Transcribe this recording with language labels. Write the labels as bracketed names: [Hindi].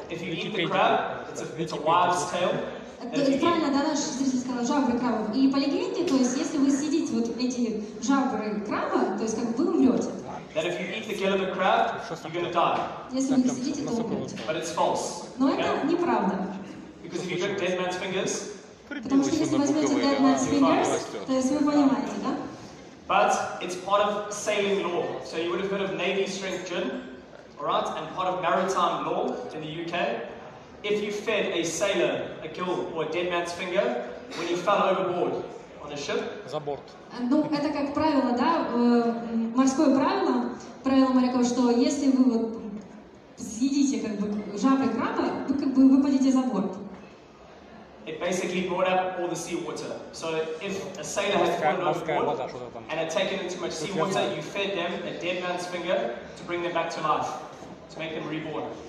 [English] If you eat the crab, it's a wives' tale. [Russian] Это правильно, да, наш зритель сказал, жабры крабов. И по легенде, то есть, если вы съедите вот эти жабры краба, то есть, как бы вы умрете. [English] That if you eat the gill of the crab, you're going to die. [Russian] Если вы съедите, то умрете. [English] But it's false. [Russian] Но это неправда. [English] Because if you took dead man's fingers, [Russian] потому что если возьмете dead man's fingers, то есть, вы понимаете, да? [English] But it's part of sailing law. So you would have heard of Navy strength gin, alright, and part of maritime law in the UK. If you fed a sailor a gill or a dead man's finger when he fell overboard on a ship. [Russian] За борт. Ну, это как правило, да, морское правило, правило моряков, что если вы вот съедите как бы жабры краба, вы как бы выпадете за борт. [English] It basically brought up all the seawater. So if a sailor had fallen overboard and had taken in too much seawater, you fed them a dead man's finger to bring them back to life, to make them reborn.